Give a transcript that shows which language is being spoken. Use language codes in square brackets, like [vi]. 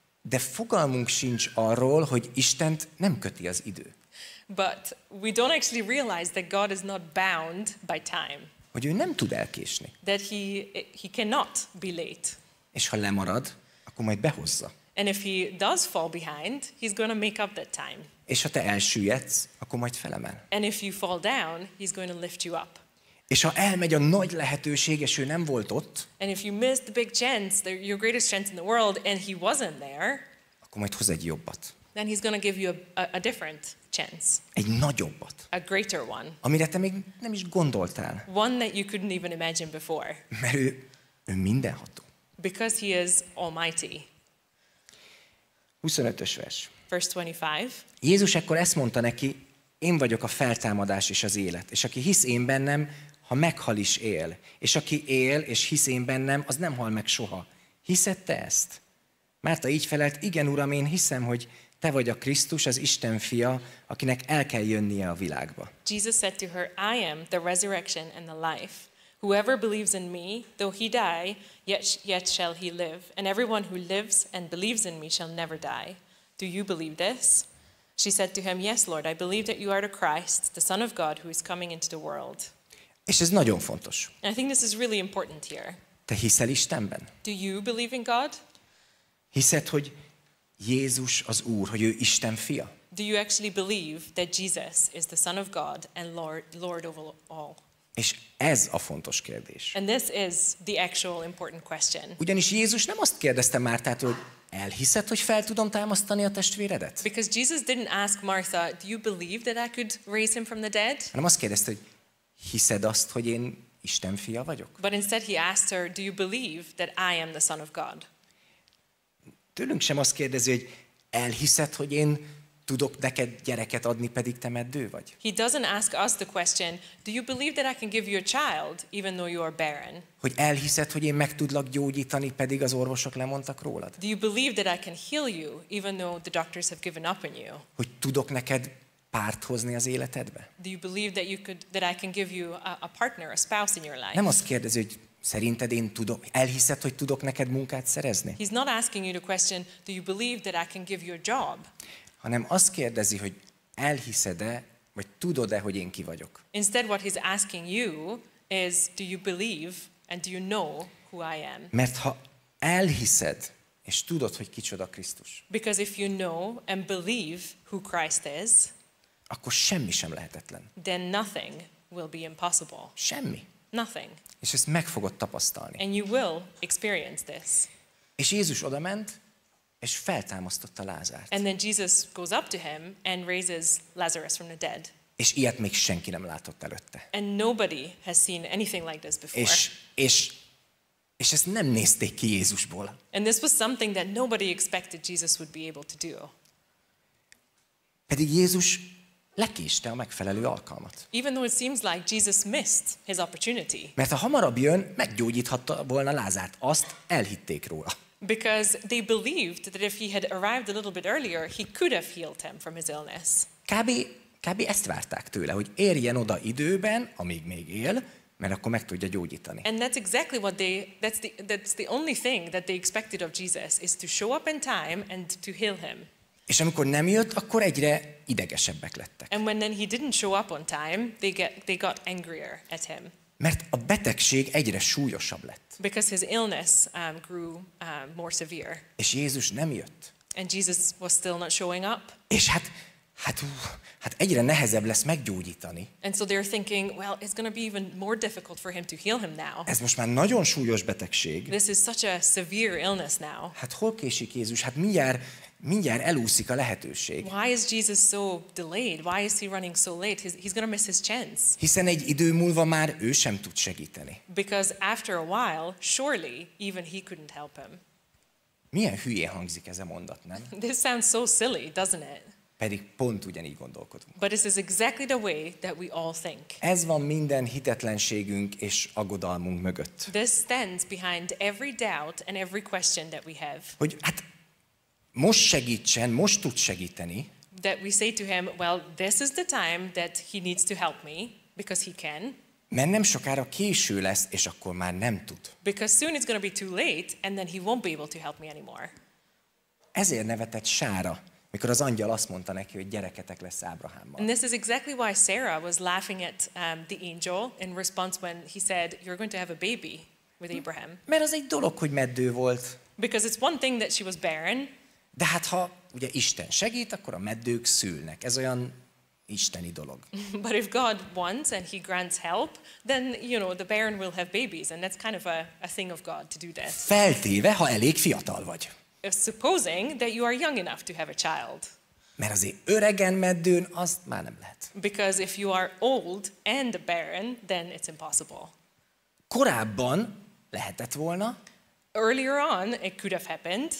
[hu] De fogalmunk sincs arról, hogy Istent nem köti az idő. [en] But we don't actually realize that God is not bound by time. [hu] Hogy ő nem tud elkésni. [en] That he cannot be late. [hu] És ha lemarad, akkor majd behozza. [en] And if he does fall behind, he's going to make up that time. [hu] És ha te elsüllyedsz, akkor majd felemel. [en] And if you fall down, he's going to lift you up. [hu] És ha elmegy a nagy lehetőség, és ő nem volt ott. [en] And if you missed the big chance, your greatest chance in the world, and he wasn't there. [hu] Akkor majd hoz egy jobbat. [en] then he's going to give you a different chance. [hu] Egy nagyobbat. [en] A greater one. [hu] Amire te még nem is gondoltál. [en] One that you couldn't even imagine before. [hu] Mert ő mindenható. [en] Because he is almighty. [hu] 25-ös vers. [en] Verse 25. [hu] Jézus ekkor ezt mondta neki, én vagyok a feltámadás és az élet, és aki hisz én bennem, ha meghal is él, és aki él és hisz én bennem, az nem hal meg soha. Hiszed te ezt? Márta így felelt, igen, Uram, én hiszem, hogy te vagy a Krisztus, az Isten fia, akinek el kell jönnie a világba. [en] Jesus said to her, I am the resurrection and the life. Whoever believes in me, though he die, yet shall he live. And everyone who lives and believes in me shall never die. Do you believe this? She said to him, yes, Lord, I believe that you are the Christ, the Son of God, who is coming into the world. [hu] És ez nagyon fontos. [en] I think this is really important here. [hu] Te hiszel Istenben? [en] Do you believe in God? [hu] Hiszed, hogy Jézus az Úr, hogy ő Isten fia? [en] Do you actually believe that Jesus is the Son of God and Lord over all? [hu] És ez a fontos kérdés. [en] And this is the actual important question. [hu] Ugyanis Jézus nem azt kérdezte Mártától, hogy elhiszed, hogy fel tudom támasztani a testvéredet? [en] Because Jesus didn't ask Martha, do you believe that I could raise him from the dead? [hu] Hanem azt kérdezte, hogy hiszed azt, hogy én Isten fia vagyok? [en] But instead he asked her, do you believe that I am the Son of God? [hu] Tőlünk sem azt kérdezi, hogy elhiszed, hogy én tudok neked gyereket adni, pedig te meddő vagy? [en] He doesn't ask us the question, do you believe that I can give you a child, even though you are barren? [hu] Hogy elhiszed, hogy én meg tudlak gyógyítani, pedig az orvosok lemondtak rólad? [en] Do you believe that I can heal you, even though the doctors have given up on you? [hu] Hogy tudok neked párt hozni az életedbe? [en] Do you believe that you could, that I can give you a partner, a spouse in your life? [hu] Nem azt kérdezi, hogy szerinted én tudom, elhiszed, hogy tudok neked munkát szerezni? [en] He's not asking you the question, do you believe that I can give you a job? [hu] Hanem azt kérdezi, hogy elhiszed-e, vagy tudod-e, hogy én ki vagyok? [en] Instead what he's asking you is, do you believe and do you know who I am? [hu] Mert ha elhiszed és tudod, hogy kicsoda Krisztus. [en] Because if you know and believe who Christ is, [hu] akkor semmi sem lehetetlen. [en] Then nothing will be impossible. [hu] Semmi. [en] Nothing. [hu] És ezt meg fogod tapasztalni. [en] And you will experience this. [hu] És Jézus odament, és feltámasztotta Lázárt. [en] And then Jesus goes up to him and raises Lazarus from the dead. [hu] És ilyet még senki nem látott előtte. [en] And nobody has seen anything like this before. [hu] És ezt nem nézték ki Jézusból. [en] And this was something that nobody expected Jesus would be able to do. [hu] Pedig Jézus lekéste a megfelelő alkalmat. [en] Even though it seems like Jesus missed his opportunity. [hu] Mert ha hamarabb jön, meggyógyíthatta volna Lázárt, azt elhitték róla. [en] Because they believed that if he had arrived a little bit earlier, he could have healed him from his illness. [hu] Kb. Ezt várták tőle, hogy érjen oda időben, amíg még él, mert akkor meg tudja gyógyítani. [en] And that's exactly what they, that's the only thing that they expected of Jesus, is to show up in time and to heal him. [hu] És amikor nem jött, akkor egyre idegesebbek lettek. [en] And when then he didn't show up on time, they got angrier at him. [hu] Mert a betegség egyre súlyosabb lett. [en] Because his illness grew more severe. [hu] És Jézus nem jött. [en] And Jesus was still not showing up. [hu] És hát egyre nehezebb lesz meggyógyítani. [en] And so they're thinking, well, it's going to be even more difficult for him to heal him now. [hu] Ez most már nagyon súlyos betegség. [en] This is such a severe illness now. [hu] Hát hol késik Jézus? Hát mindjárt elúszik a lehetőség. [en] Why is Jesus so delayed? Why is he running so late? He's going to miss his chance. [hu] Hiszen egy idő múlva már ő sem tud segíteni. [en] Because after a while, surely even he couldn't help him. [hu] Milyen hülye hangzik ez a mondat, nem? [en] This sounds so silly, doesn't it? [hu] Pedig pont ugyanígy gondolkodunk. [en] But this is exactly the way that we all think. [hu] Ez van minden hitetlenségünk és aggodalmunk mögött. [en] This stands behind every doubt and every question that we have. [hu] Hogy hát most segítsen, most tud segíteni. [en] That we say to him, well, this is the time that he needs to help me, because he can. [hu] Mert nem sokára késő lesz, és akkor már nem tud. [en] Because soon it's going to be too late, and then he won't be able to help me anymore. [hu] Ezért nevetett Sára, mikor az angyal azt mondta neki, hogy gyereketek lesz Ábrahámmal. [en] And this is exactly why Sarah was laughing at the angel in response when he said, you're going to have a baby with Abraham. [hu] Mert az egy dolog, hogy meddő volt. [en] Because it's one thing that she was barren. [hu] De hát ha ugye Isten segít, akkor a meddők szülnek. Ez olyan isteni dolog. [en] But if God wants and he grants help, then you know the barren will have babies and that's kind of a thing of God to do that. [hu] Feltéve, ha elég fiatal vagy. [en] Supposing that you are young enough to have a child. [hu] Mert azért öregen meddőn azt már nem lehet. [en] Because if you are old and barren, then it's impossible. [hu] Korábban lehetett volna. [en] Earlier on, it could have happened.